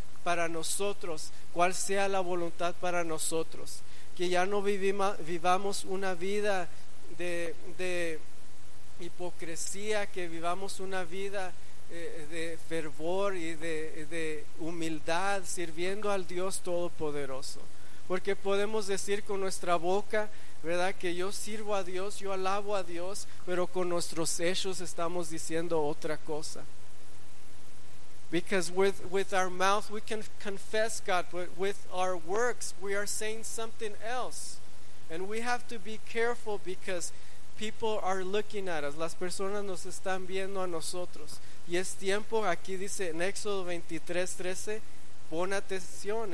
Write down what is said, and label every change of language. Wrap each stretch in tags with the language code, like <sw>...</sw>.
<es>para nosotros, cuál sea la voluntad para nosotros, que ya no vivamos una vida de hipocresía, que vivamos una vida de fervor y de humildad, sirviendo al Dios Todopoderoso. Porque podemos decir con nuestra boca, ¿verdad?, que yo sirvo a Dios, yo alabo a Dios, pero con nuestros hechos estamos diciendo otra cosa.</es> <en>Because with our mouth we can confess God, but with our works we are saying something else. And we have to be careful because people are looking at us.</en> <es>Las personas nos están viendo a nosotros. Y es tiempo, aquí dice en Éxodo 23:13, pon atención.</es>